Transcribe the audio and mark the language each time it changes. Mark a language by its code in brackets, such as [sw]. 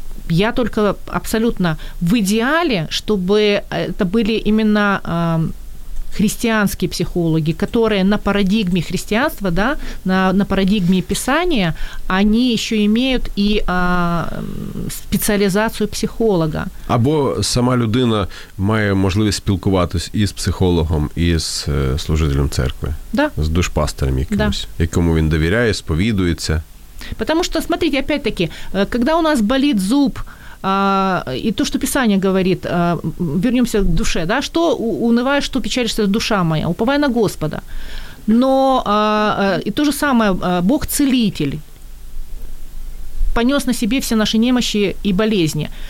[ru] Я только абсолютно в идеале, чтобы это были именно... християнские психологи, которые на парадигме христианства, да, на парадигме Писания, они еще имеют и специализацию психолога. [uk] Або сама людина має можливість спілкуватись і з психологом, і з служителем церкви. [ru] Да. [uk] З душпастором якимось, да. Якому він довіряє, сповідується. [ru] Потому что, смотрите, опять-таки, когда у нас болит зуб, и то, что Писание говорит, вернемся к душе, да, что унывая, что печалишься, душа моя, уповай на Господа. Но и то же самое, Бог целитель, понес на себе все наши немощи и болезни.